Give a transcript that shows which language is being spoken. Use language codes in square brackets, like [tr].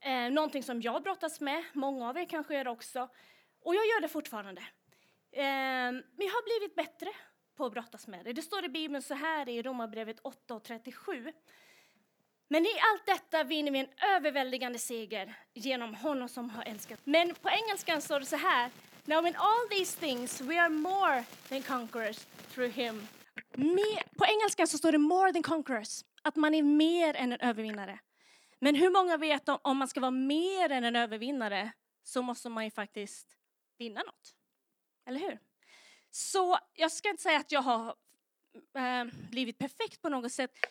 [sv] Någonting som jag brottas med. Många av er kanske gör också. Och jag gör det fortfarande. Men jag har blivit bättre på att brottas med det. Det står i Bibeln så här i Romarbrevet 8:37. Men i allt detta vinner vi en överväldigande seger genom honom som har älskat. Men på engelskan står det så här. [en] Now in all these things we are more than conquerors through him. [sv] På engelskan så står det [en] more than conquerors. [sv] Att man är mer än en övervinnare. Men hur många vet om man ska vara mer än en övervinnare så måste man ju faktiskt vinna något. Eller hur? Så jag ska inte säga att jag har blivit perfekt på något sätt.